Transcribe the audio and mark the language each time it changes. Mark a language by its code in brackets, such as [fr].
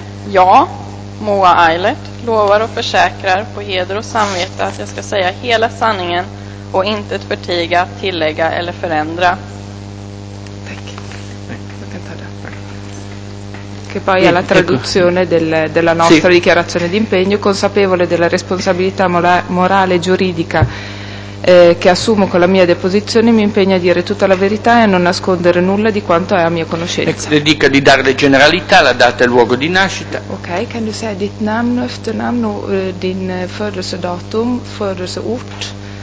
[sv] Ja, Moa Eilert lovar och försäkrar på heder och samvete att jag ska säga hela sanningen och inte ett förtiga, tillägga eller förändra. Tack. Jag kan ta det. [it] Che poi è la traduzione della nostra dichiarazione di impegno, consapevole della responsabilità morale e giuridica che assumo con la mia deposizione, mi impegno a dire tutta la verità e a non nascondere nulla di quanto è a mia conoscenza. Le dica di dare le generalità, la data e il luogo di nascita. [sv] Ok, kan du säga ditt namn, efternamn, din födelsedatum, födelseort?